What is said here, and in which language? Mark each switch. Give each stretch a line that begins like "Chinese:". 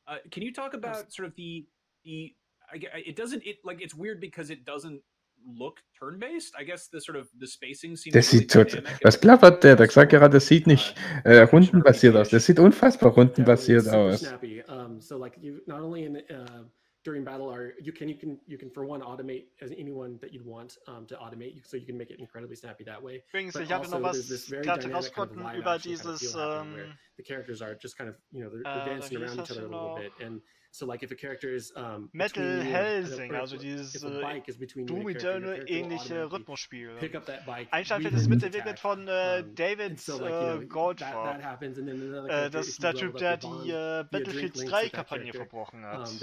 English: Can you talk about sort of the it doesn't, it like, it's weird because it doesn't look turn-based. I guess the sort of the spacing seems.
German: Das sieht tot. Was plappert der? Der sagt gerade, das sieht nicht rundenbasiert aus. Das sieht unfassbar rundenbasiert aus.
English: So like you not only in during battle are you can for one automate as anyone that you'd want to automate, so you can make it incredibly snappy that way.
German: Übrigens, ich habe noch was gerade rausgucken über dieses
English: the characters are just kind of, you know, they're dancing around each other a little bit. And so like if a character is
German: Metal Hellsing, also dieses Doom Eternal ähnliche Rhythmusspiel. Einstein wird es mitentwickelt von David Goldfarb. Das ist der Typ, der die Battlefield 3 Kampagne verbrochen hat.